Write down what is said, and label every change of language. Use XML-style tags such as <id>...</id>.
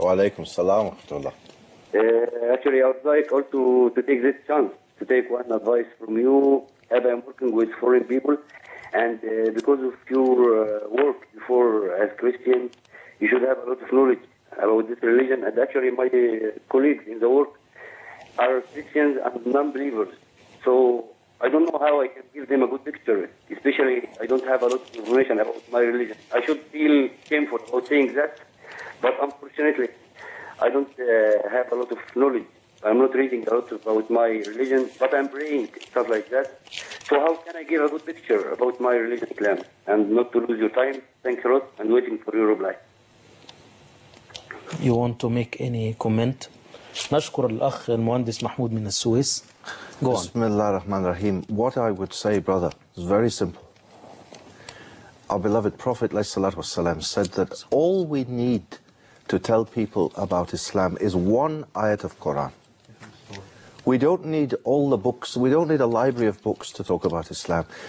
<ar>وعليكم السلام ورحمه الله.</ar> <en>Actually I was like also to take this chance to take one advice from you have I'm working with foreign people and because of your work before as Christian You should have a lot of knowledge about this religion. And actually, my colleagues in the work are Christians and non-believers. So I don't know how I can give them a good picture, especially I don't have a lot of information about my religion. I should feel shameful about saying that, but unfortunately, I don't have a lot of knowledge. I'm not reading a lot about my religion, but I'm praying, stuff like that. So how can I give a good picture about my religion, Islam? And not to lose your time, thanks a lot, and waiting for your reply. You want to make any comment?</en> <ar>نشكر الأخ المهندس محمود من السويس.</ar> <en>Go</en> <ar>بسم الله الرحمن الرحيم.</ar> <en>What I would say, brother, is very simple. our beloved Prophet said that all we need to tell people about Islam is one ayat of Quran. We don't need all the books, we don't need a library of books to talk about Islam.</en>